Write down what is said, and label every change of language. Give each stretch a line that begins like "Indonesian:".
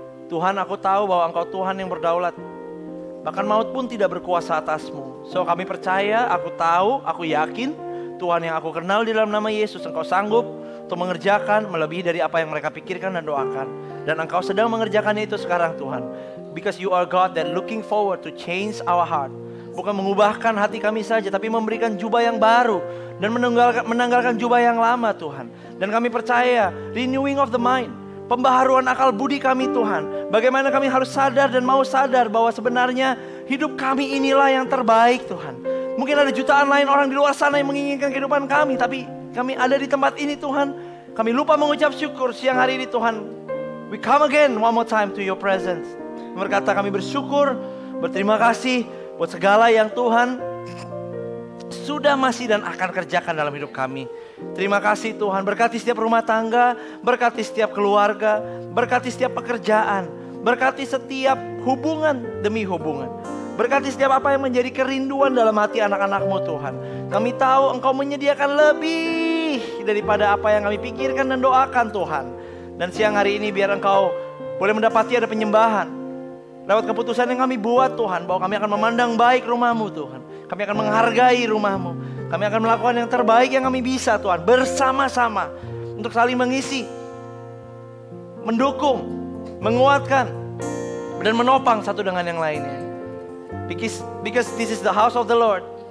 Indonesian: Tuhan, aku tahu bahwa Engkau Tuhan yang berdaulat, bahkan maut pun tidak berkuasa atas-Mu. So kami percaya, aku tahu, aku yakin, Tuhan yang aku kenal di dalam nama Yesus, Engkau sanggup untuk mengerjakan melebihi dari apa yang mereka pikirkan dan doakan. Dan Engkau sedang mengerjakannya itu sekarang, Tuhan.
English: Because You are God that looking forward to change our heart.
Indonesian: Bukan mengubahkan hati kami saja, tapi memberikan jubah yang baru dan menanggalkan jubah yang lama, Tuhan. Dan kami percaya, renewing of the mind, pembaharuan akal budi kami, Tuhan. Bagaimana kami harus sadar dan mau sadar bahwa sebenarnya hidup kami inilah yang terbaik, Tuhan. Mungkin ada jutaan lain orang di luar sana yang menginginkan kehidupan kami, tapi kami ada di tempat ini, Tuhan. Kami lupa mengucap syukur siang hari ini, Tuhan.
English: We come again one more time to Your presence.
Indonesian: Berkata kami bersyukur, berterima kasih buat segala yang Tuhan sudah, masih, dan akan kerjakan dalam hidup kami. Terima kasih Tuhan, berkati setiap rumah tangga, berkati setiap keluarga, berkati setiap pekerjaan, berkati setiap hubungan demi hubungan. Berkati setiap apa yang menjadi kerinduan dalam hati anak-anak-Mu, Tuhan. Kami tahu Engkau menyediakan lebih daripada apa yang kami pikirkan dan doakan, Tuhan. Dan siang hari ini biar Engkau boleh mendapati ada penyembahan lewat keputusan yang kami buat, Tuhan. Bahwa kami akan memandang baik rumah-Mu, Tuhan. Kami akan menghargai rumah-Mu. Kami akan melakukan yang terbaik yang kami bisa, Tuhan, bersama-sama untuk saling mengisi, mendukung, menguatkan, dan menopang satu dengan yang lainnya.
English: Because this is the house of the Lord.